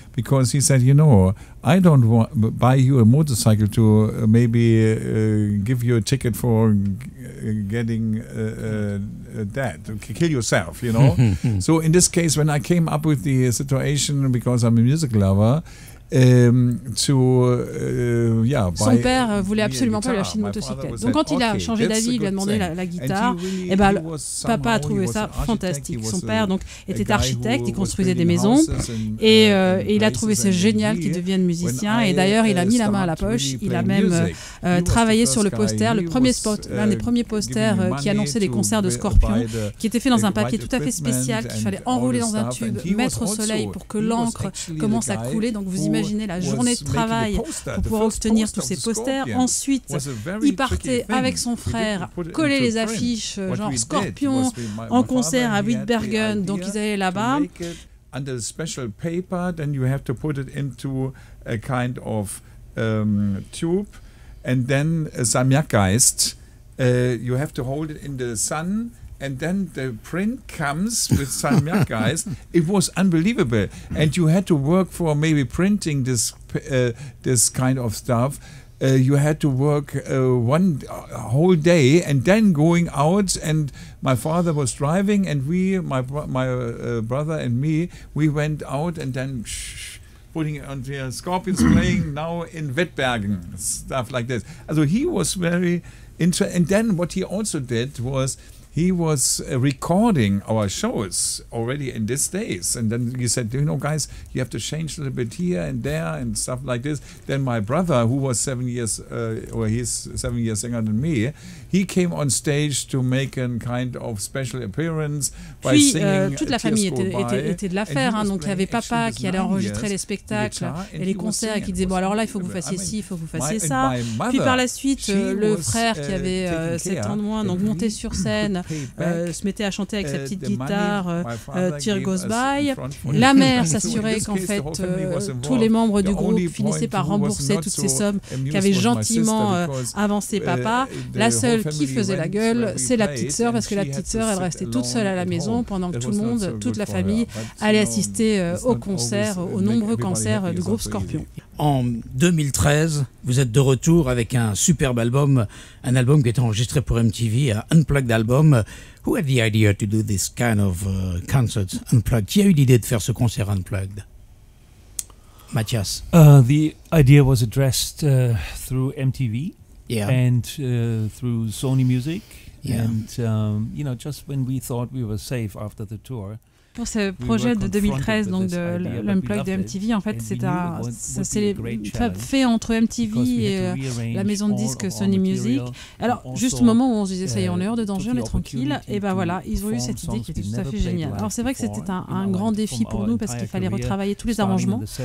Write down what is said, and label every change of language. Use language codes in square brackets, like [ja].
[en] because he said, you know, I don't want buy you a motorcycle to maybe give you a ticket for getting dead, to kill yourself, you know. So in this case, when I came up with the situation, because I'm a music lover, [fr] son père voulait absolument pas lui acheter une motocyclette. Donc quand il a changé d'avis, il lui a demandé la guitare. Et ben, papa a trouvé ça fantastique. Son père donc était architecte, il construisait des maisons, et il a trouvé ça génial qu'il devienne musicien. Et d'ailleurs, il a mis la main à la poche. Il a même travaillé sur le poster, le premier spot, l'un des premiers posters qui annonçait les concerts de Scorpion, qui était fait dans un papier tout à fait spécial qu'il fallait enrouler dans un tube, mettre au soleil pour que l'encre commence à couler. Donc vous imaginez la journée de travail pour pouvoir obtenir tous ces posters. Ensuite, il partait avec son frère coller les affiches genre Scorpion en concert à Wittbergen. Donc ils allaient là-bas. [en] Under a special paper, then you have to put it into a kind of tube, and then Samyakgeist, you have to hold it in the sun. And then the print comes with Samyak guys. It was unbelievable. And you had to work for maybe printing this kind of stuff you had to work one whole day and then going out, and my father was driving, and we, my brother and me, we went out and then putting on the Scorpions playing now in Wettbergen, stuff like this. So he was very interested. And then what he also did was he was recording our shows already in these days. And then he said, you know, guys, you have to change a little bit here and there and stuff like this. Then my brother, who was 7 years, he's 7 years younger than me, he came on stage to make a kind of special appearance by [fr] puis, [en] singing [fr] toute la famille était de l'affaire, hein, donc il y avait papa qui allait enregistrer les spectacles guitar, et les concerts et qui disait, bon, alors là, il faut que vous fassiez ci, il faut que vous fassiez ça. [en] Mother, [fr] puis par la suite, le frère qui avait 7 ans de moins, donc montait sur scène, se mettait à chanter avec sa petite guitare Tear Goes By. La mère s'assurait qu'en fait tous les membres du groupe finissaient par rembourser toutes ces sommes qu'avait gentiment avancé papa. La seule qui faisait la gueule, c'est la petite sœur, parce que la petite sœur, elle restait toute seule à la maison pendant que tout le monde, toute la famille, allait assister aux concerts, aux nombreux concerts du groupe Scorpion. En 2013, vous êtes de retour avec un superbe album, un album qui est enregistré pour MTV, un Unplugged album. [en] Who had the idea to do this kind of concert Unplugged? [fr] Qui a eu l'idée de faire ce concert Unplugged? Mathias. [en] The idea was addressed through MTV, yeah, and through Sony Music, yeah, and you know, just when we thought we were safe after the tour. [fr] Pour ce projet de 2013, donc de l'Unplugged de MTV, en fait, ça s'est fait entre MTV et la maison de disques Sony Music. Alors, juste au moment où on se disait, ça y est, on est hors de danger, on est tranquille, et ben voilà, ils ont eu cette idée qui était tout à fait géniale. Alors, c'est vrai que c'était un grand défi pour nous parce qu'il fallait retravailler tous les arrangements.